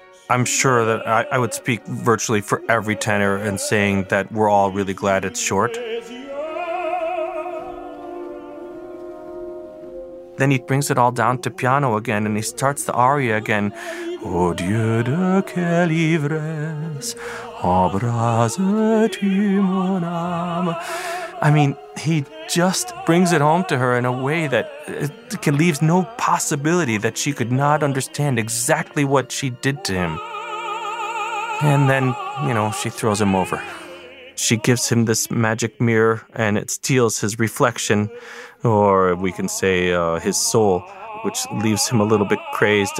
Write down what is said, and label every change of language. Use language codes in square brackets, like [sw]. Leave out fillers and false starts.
[en] I'm sure that I would speak virtually for every tenor in saying that we're all really glad it's short. Then he brings it all down to piano again and he starts the aria again. [fr] Oh Dieu de quelle ivresse, embrase-tu mon âme. [en] I mean, he just brings it home to her in a way that leaves no possibility that she could not understand exactly what she did to him. And then, you know, she throws him over. She gives him this magic mirror and it steals his reflection, or we can say his soul, which leaves him a little bit crazed.